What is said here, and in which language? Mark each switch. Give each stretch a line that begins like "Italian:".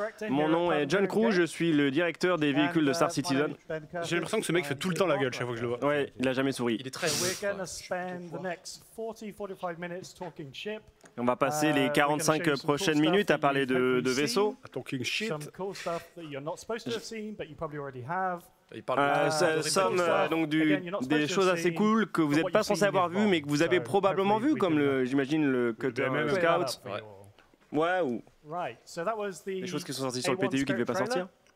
French: Mon nom est John Crew, je suis le directeur des véhicules de Star Citizen. J'ai l'impression que ce mec fait tout le temps la gueule chaque fois que je le vois. Ouais, il a jamais souri. Il est très Et on va passer les 45 prochaines minutes à parler de vaisseaux.
English: Talking shit. Some cool stuff that you're not supposed to have seen, but you probably already have.
French: Des choses assez cool que vous n'êtes pas censé avoir vu, mais que vous avez probablement vu, comme j'imagine le Cutter Scout. Ouais, ou les choses qui sont sorties sur le PTU qui ne devaient pas sortir.